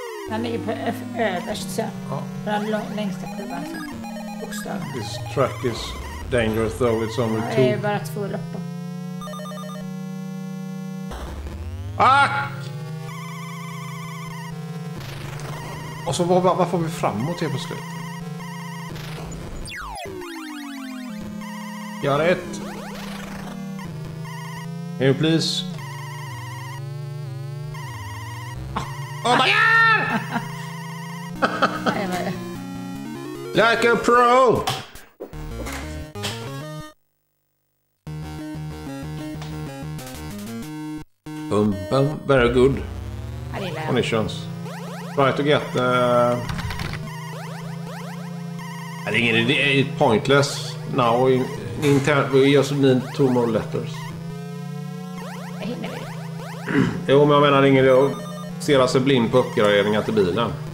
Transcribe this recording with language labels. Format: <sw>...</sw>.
<sv>Den ligger på överst sen. Ja. Den längsta kurvan sen. Bokstav.</sv> <en>This track is dangerous though, it's only two.</en> <sv>Det är bara två loppar. Ah! Och så vad får vi framåt till på slut? Jag har ett.</sv> <en>Can you please? Oh my god! Like a pro! Bum, bum, very good. Conditions. Try to get the... I think it's pointless now. In we just need two more letters.</en> <sv>Jag hinner. Jo, men jag menar ingen att stela sig blind på uppgraderingar till bilen.</sv>